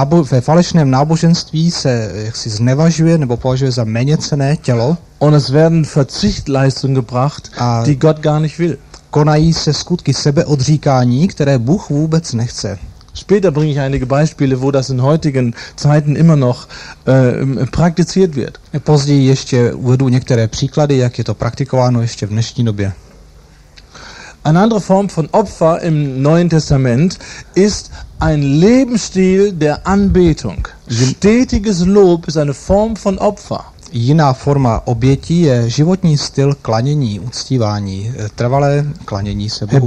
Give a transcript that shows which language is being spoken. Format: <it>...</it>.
<cs>Ve falešném náboženství se jaksi znevažuje nebo považuje za méněcenné tělo.</cs> <de>Und es werden Verzichtleistungen gebracht, die Gott gar nicht will.</de> <cs>Konají se skutky sebeodříkání, které Bůh vůbec nechce.</cs> <de>Später bringe ich einige Beispiele, wo das in heutigen Zeiten immer noch praktiziert wird.</de> <cs>Později ještě uvedu některé příklady, jak je to praktikováno ještě v dnešní době.</cs> <de>Eine andere Form von Opfer im Neuen Testament ist ein Lebensstil der Anbetung. Stetiges Lob ist eine Form von Opfer.</de> <cs>Jiná forma obětí je životní styl klanění, uctívání, trvalé klanění se Bohu.</cs>